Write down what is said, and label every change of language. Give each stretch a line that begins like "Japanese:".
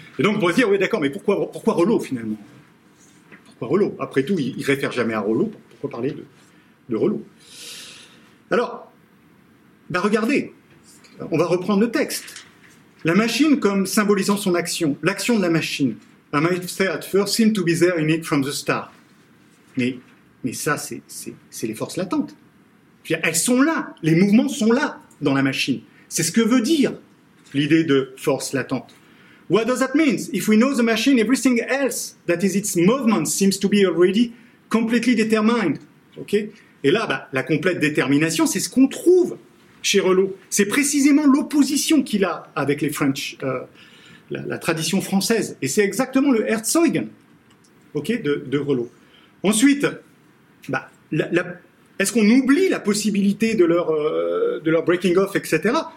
French: Et donc, on pourrait se dire, oui, d'accord, mais pourquoi Rollo, finalement? Pourquoi Rollo? Après tout, il ne réfère jamais à Rollo, pourquoi parler de Rollo? Alors, regardez, on va reprendre le texte. La machine comme symbolisant son action, l'action de la machine.
English: I might say at first seemed to be there in it from the start.
French: Mais ça, c'est les forces latentes. Elles sont là, les mouvements sont là dans la machine. C'est ce que veut dire l'idée de force latente.
English: What does that mean? If we know the machine, everything else, that is its movement, seems to be already completely determined. Okay?
French: Et là, la complète détermination, c'est ce qu'on trouve chez Rollo. C'est précisément l'opposition qu'il a avec les French, la tradition française. Et c'est exactement le Herzog, okay, de Rollo. Ensuite, est-ce qu'on oublie la possibilité de leur
English: breaking off,
French: etc.?